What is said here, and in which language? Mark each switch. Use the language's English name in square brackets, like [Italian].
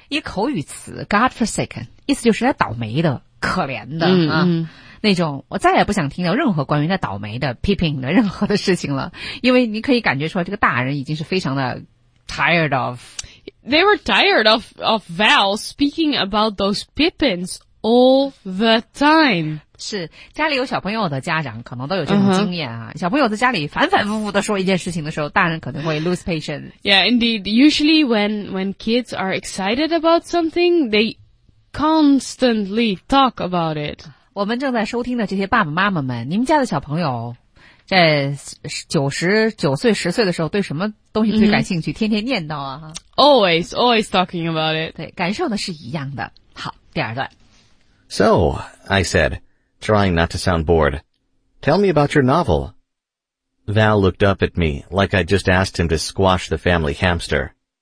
[Chinese] 一口语词 godforsaken 意思就是倒霉的可怜的、 mm-hmm. 啊。那种我再也不想听到任何关于那倒霉的 peeping 的任何的事情了，因为你可以感觉出来这个大人已经是非常的 [English] tired of. They were tired of Val speaking about those pippins all the time. [Chinese] 是家里有小朋友的家长可能都有这种经验啊、uh-huh. 小朋友在家里反反复复的说一件事情的时候，大人可能会 [English] lose patience. Yeah, indeed. Usually when kids are excited about something, they constantly talk about it. [Chinese] 我们正在收听的这些爸爸妈妈们，你们家的小朋友在九岁、十岁的时候对什么东西最感兴趣、mm-hmm. 天天念叨啊 [English] Always talking about it. [Chinese] 对，感受呢是一样的。好，第二段。 [English] So, I said, trying not to sound bored. Tell me about your novel. Val looked up at me like I just asked him to squash the family hamster.